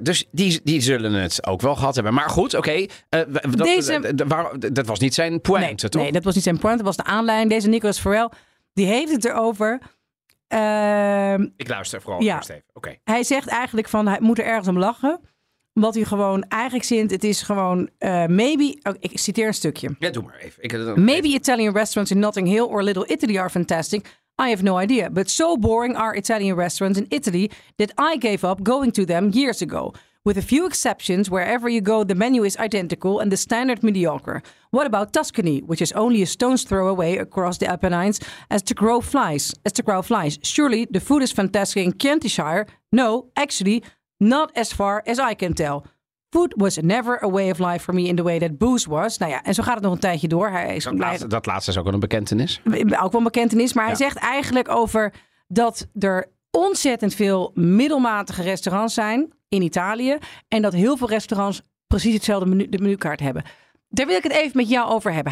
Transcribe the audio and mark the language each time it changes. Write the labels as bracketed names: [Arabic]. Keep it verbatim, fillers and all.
[Dutch] Dus die, die zullen het ook wel gehad hebben. Maar goed, oké. Okay, uh, dat, Deze... dat was niet zijn pointe, nee, toch? Nee, dat was niet zijn pointe. Dat was de aanleiding. Deze Nicolas Farrell, die heeft het erover. Uh, Ik luister vooral. Ja. Eerst even. Okay. Hij zegt eigenlijk van, hij moet er ergens om lachen. Omdat hij gewoon eigenlijk zint, het is gewoon uh, maybe. Oh, ik citeer een stukje. Ja, doe maar even. Ik, uh, maybe even. [English] Italian restaurants in Notting Hill or Little Italy are fantastic. I have no idea, but so boring are Italian restaurants in Italy that I gave up going to them years ago. With a few exceptions, wherever you go, the menu is identical and the standard mediocre. What about Tuscany, which is only a stone's throw away across the Apennines as the crow flies? As the crow flies, surely the food is fantastic in Kentish Shire. No, actually, not as far as I can tell. Food was never a way of life for me in the way that booze was. [Dutch] Nou ja, en zo gaat het nog een tijdje door. Hij is dat, laatste, dat laatste is ook wel een bekentenis. Ook wel een bekentenis, maar ja. hij zegt eigenlijk over dat er ontzettend veel middelmatige restaurants zijn in Italië. En dat heel veel restaurants precies hetzelfde menu, de menukaart hebben. Daar wil ik het even met jou over hebben.